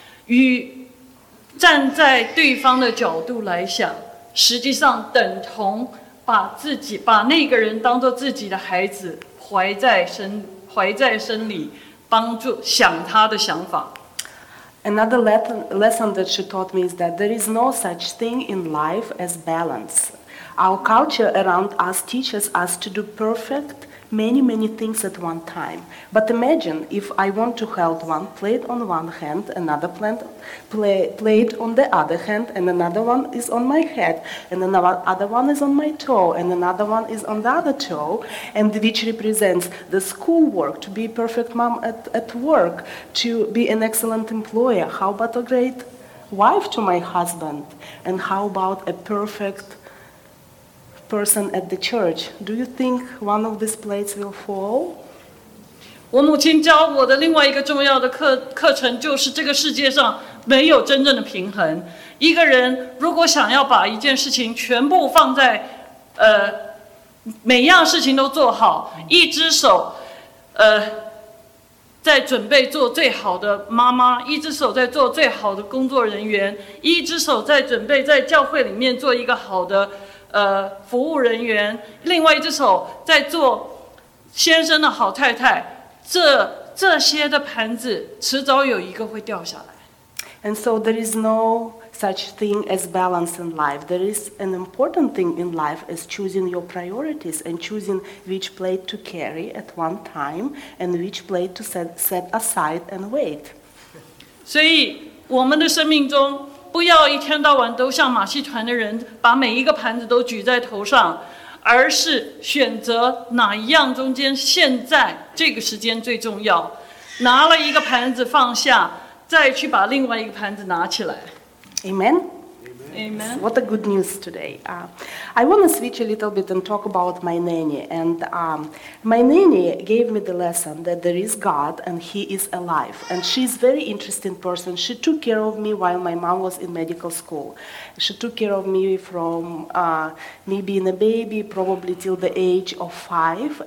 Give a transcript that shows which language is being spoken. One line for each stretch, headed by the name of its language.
Chinese: 与站在对方的角度来想，实际上等同把自己把那个人当作自己的孩子怀在身里帮助想他的想法。
English: Another lesson that she taught me is that there is no such thing in life as balance. Our culture around us teaches us to do perfect many, many things at one time. But imagine if I want to hold one plate on one hand, another plate on the other hand, and another one is on my head, and another one is on my toe, and another one is on the other toe, and which represents the schoolwork, to be a perfect mom at work, to be an excellent employer. How about a great wife to my husband? And how about a perfect person at the church? Do you think one of these plates will fall?
Chinese: 我母亲教我的另外一个重要的课程就是，这个世界上没有真正的平衡。一个人如果想要把一件事情全部放在每样事情都做好，一只手在准备做最好的妈妈，一只手在做最好的工作人员，一只手在准备在教会里面做一个好的服务人员，另外一只手在做先生的好太太，这些的盘子迟早有一个会掉下来。
English: And so there is no such thing as balance in life. There is an important thing in life as choosing your priorities and choosing which plate to carry at one time and which plate to set aside and wait.
Chinese: 所以我们的生命中不要一天到晚都像马戏团的人把每一个盘子都举在头上，而是选择哪一样中间现在这个时间最重要，拿了一个盘子放下，再去把另外一个盘子拿起来。
English: Amen. Amen. What a good news today. I want to switch a little bit and talk about my nanny. And my nanny gave me the lesson that there is God and He is alive. And she's a very interesting person. She took care of me while my mom was in medical school. She took care of me from me being a baby, probably till the age of 5.